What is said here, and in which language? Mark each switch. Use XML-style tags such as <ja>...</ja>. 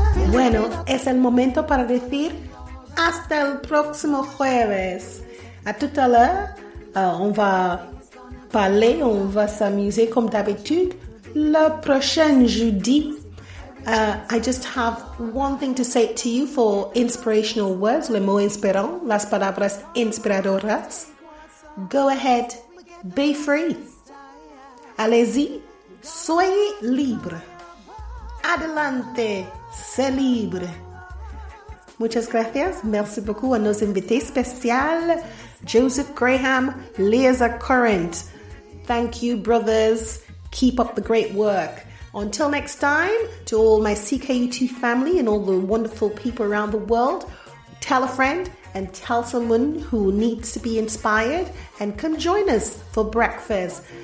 <es>Bueno, es el momento para decir hasta el próximo jueves.</es> <fr>A tout à l'heure, on va parler, on va s'amuser comme d'habitude. Le prochain jeudi,</fr> <en>I just have one thing to say to you for inspirational words, le mot inspirant, las palabras inspiradoras. Go ahead, be free. Allez-y, soyez libre.</en> <es>Adelante, sé libre. Muchas gracias.</es> <fr>Merci beaucoup a nos invités spéciales, Joseph Graham, Lazah Current.</fr> <en>Thank you, brothers. Keep up the great work. Until next time, to all my CKUT family and all the wonderful people around the world, tell a friend and tell someone who needs to be inspired and come join us for breakfast.</en>